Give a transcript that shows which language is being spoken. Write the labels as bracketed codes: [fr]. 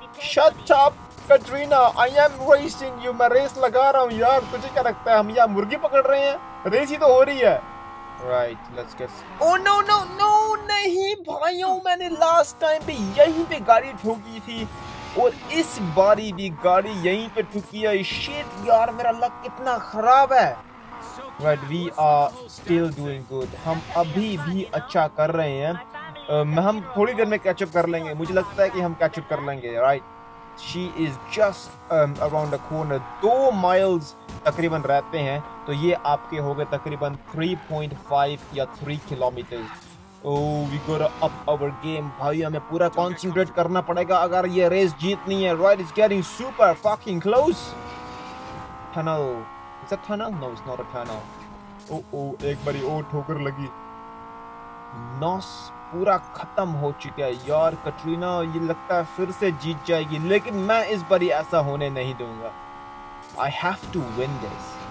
[en] Shut up, Katrina, I am racing you, [hi] मैं race लगा रहा हूँ यार, तुझे क्या लगता है हम यहाँ मुर्गी पकड़ रहे हैं, रेस ही तो हो रही है। [en] Right, let's guess. Oh no no no, [hi] नहीं भाइयों, मैंने लास्ट टाइम पे यहीं पे गाड़ी ठोकी थी और इस बारी भी गाड़ी यहीं पे ठुकी है। शिट यार, मेरा लक कितना खराब है। [en] But we are still doing good. [hi] हम अभी भी अच्छा कर रहे हैं, हम थोड़ी देर में कैचअप कर लेंगे, मुझे लगता है कि हम कैचअप कर लेंगे। [en] right, she is just around the corner, [hi] दो माइल्स तकरीबन रहते हैं, तो ये आपके हो गए तकरीबन 3.5 या 3 kilometre. [en] Oh, we gotta up our game. [hi] भाई हमें पूरा कॉन्सेंट्रेट करना पड़ेगा अगर ये रेस जीतनी है। [en] Right, it's getting super fucking close. Tunnel. Is that tunnel? No, it's not a tunnel. [hi] Oh, एक बारी और ठोकर लगी। Nos पूरा खत्म हो चुका है यार, कटरीना ये लगता है फिर से जीत जाएगी, लेकिन मैं इस बारी ऐसा होने नहीं दूंगा। [en] I have to win this.